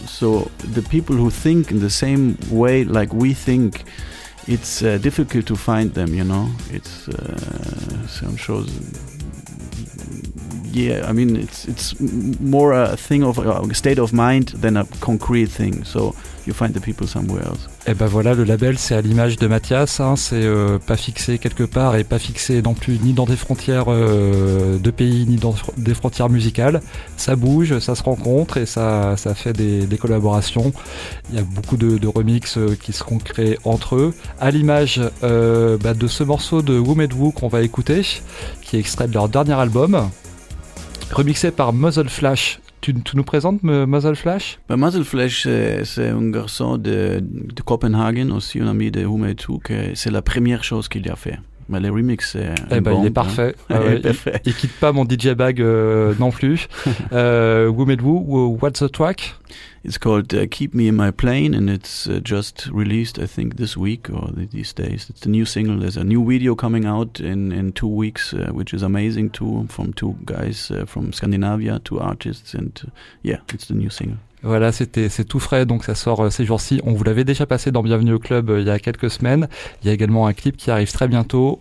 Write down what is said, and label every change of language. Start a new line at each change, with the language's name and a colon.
English: So the people who think in the same way like we think, it's difficult to find them, you know. It's some shows yeah, I mean, it's more a thing of a state of mind than a concrete thing. So you find the people somewhere else.
French: Et ben voilà, le label, c'est à l'image de Mathias, hein, c'est pas fixé quelque part et pas fixé non plus ni dans des frontières de pays ni dans des frontières musicales. Ça bouge, ça se rencontre et ça fait des collaborations. Il y a beaucoup de remixes qui seront créés entre eux. À l'image de ce morceau de Who Made Who qu'on va écouter, qui est extrait de leur dernier album, remixé par Muzzle Flash. Tu nous présentes Muzzle Flash? Ben Muzzle Flash, c'est un garçon de Copenhague, aussi un ami de Who Made Who, que c'est la première chose qu'il a fait. Mais les remixes, c'est eh ben bombe, il est parfait. Hein. Ouais, parfait. Il quitte pas mon DJ bag non plus.
English: Who Made Who, what's the track? It's called Keep Me In My Plane, and it's just released, I think, this week or these days. It's a new single. There's a new video coming out in 2 weeks, which is amazing too, from two guys from Scandinavia, two artists, and yeah, it's the new single.
French: Voilà, c'est tout frais, donc ça sort ces jours-ci. On vous l'avait déjà passé dans Bienvenue au Club il y a quelques semaines. Il y a également un clip qui arrive très bientôt.